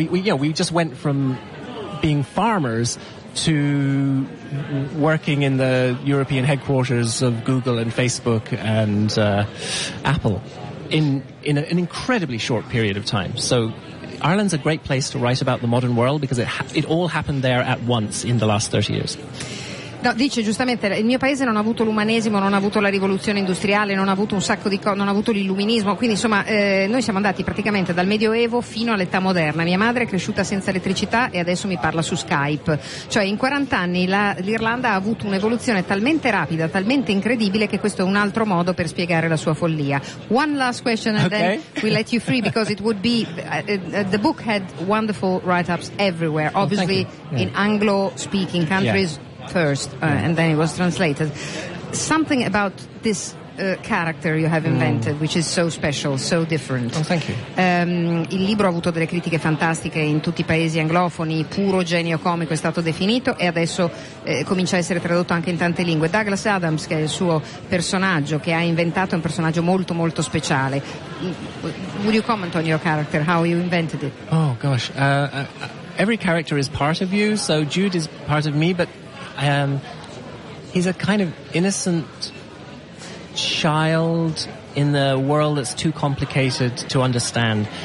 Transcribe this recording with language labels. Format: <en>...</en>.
<en>We just went from being farmers to working in the European headquarters of Google and Facebook and Apple in an incredibly short period of time. So Ireland's a great place to write about the modern world because it all happened there at once in the last 30 years.</en> <it>No, dice giustamente, il mio paese non ha avuto l'umanesimo, non ha avuto la rivoluzione industriale, non ha avuto un sacco di cose, non ha avuto l'illuminismo, quindi insomma noi siamo andati praticamente dal Medioevo fino all'età moderna. Mia madre è cresciuta senza elettricità e adesso mi parla su Skype. Cioè in 40 anni l'Irlanda ha avuto un'evoluzione talmente rapida, talmente incredibile, che questo è un altro modo per spiegare la sua follia.</it> <en>One last question and okay, then we let you free because it would be the book had wonderful write-ups everywhere, obviously. Well, thank you. Yeah. In Anglo-speaking countries. Yeah. First, and then it was translated. Something about this character you have invented, which is so special, so different. Oh, thank you.</en> <it>Il libro ha avuto delle critiche fantastiche in tutti I paesi anglofoni, puro genio comico è stato definito, e adesso comincia a essere tradotto anche in tante lingue. Douglas Adams, che è il suo personaggio, che ha inventato, è un personaggio molto, molto speciale.</it> <en>Would you comment on your character, how you invented it? Oh, gosh. Every character is part of you, so Jude is part of me, but he's a kind of innocent child in the world that's too complicated to understand.</en>